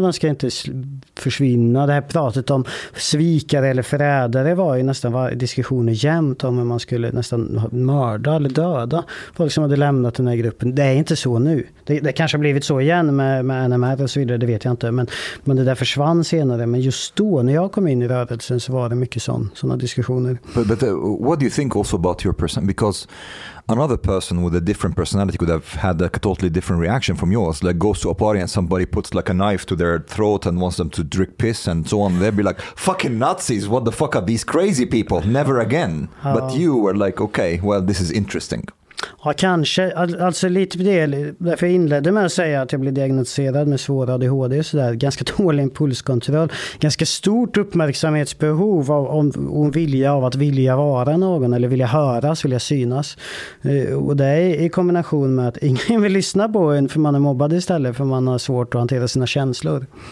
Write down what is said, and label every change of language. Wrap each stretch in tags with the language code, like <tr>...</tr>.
<sv>De ska inte försvinna. Det här pratet om svikare eller förrädare var ju nästan diskussioner jämt om hur man skulle nästan mörda eller döda folk som hade lämnat den här gruppen. Det är inte så nu. Det kanske har blivit så igen med NMR och så vidare. Det vet jag inte. Men det där försvann senare. Men just då, när jag kom in i rörelsen, så var det mycket såna diskussioner.</sv> <en>But what do you think also about your person? Because another person with a different personality could have had like a totally different reaction from yours. Like goes to a party and somebody puts like a knife to their throat and wants them to drink piss and so on. They'd be like, fucking Nazis, what the fuck are these crazy people? Never again. Ja. But you were like, okay, well, this is interesting.</en> <sv>Ja, kanske. Alltså lite på det. Därför jag inledde med att säga att jag blev diagnostiserad med svår ADHD och sådär. Ganska dålig impulskontroll. Ganska stort uppmärksamhetsbehov om vilja av att vilja vara någon eller vilja höras, vilja synas. Och det är i kombination med att ingen vill lyssna på en för man är mobbad istället för man har svårt att hantera sina känslor.</sv>